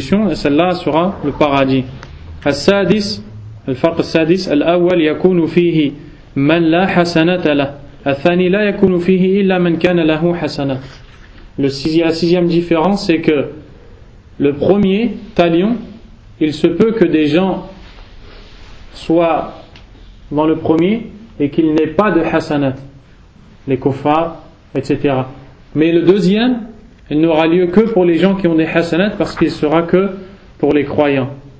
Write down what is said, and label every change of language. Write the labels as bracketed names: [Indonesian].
[French] Et celle-là sera le paradis. [Arabic] السادس الفرق السادس الأول يكون فيه من لا حسنة له الثاني لا يكون فيه إلا من كان له حسنة. [French] La sixième différence, c'est que le premier talion, il se peut que des gens soient dans le premier et qu'il n'ait pas de hasanat, les kuffar, etc. Mais le deuxième, il n'aura lieu que pour les gens qui ont des hasanat, parce qu'il sera que pour les croyants.